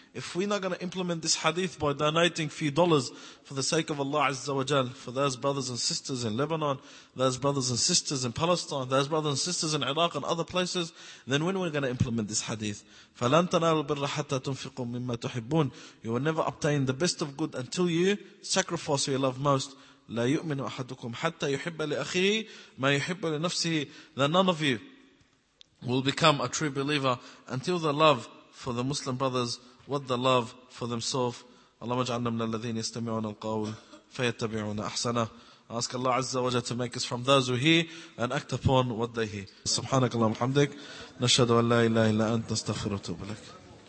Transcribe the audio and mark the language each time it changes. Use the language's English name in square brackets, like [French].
[English] If we're not going to implement this hadith by donating a few dollars for the sake of Allah Azza wa Jal, for those brothers and sisters in Lebanon, those brothers and sisters in Palestine, those brothers and sisters in Iraq and other places, then when are we going to implement this hadith? [Arabic] فَلَن تَنَالُ الْبِرَّ حَتَّى تُنْفِقُوا مِمَّا تُحِبُّونَ. [English] You will never obtain the best of good until you sacrifice what you love most. [Arabic] لا يؤمن أحدكم حتى يحب لأخيه ما يحب لنفسه. [English] That none of you will become a true believer until the love for the Muslim brothers what the love for themselves. [Arabic] اللهم اجعلنا من الذين يستمعون القول فيتبعون أحسنه. [English] I ask Allah Azza wa Jalla to make us from those who hear and act upon what they hear. [Arabic] سبحانك اللهم وبحمدك نشهد أن لا إله إلا أنت نستغفرك ونتوب إليك.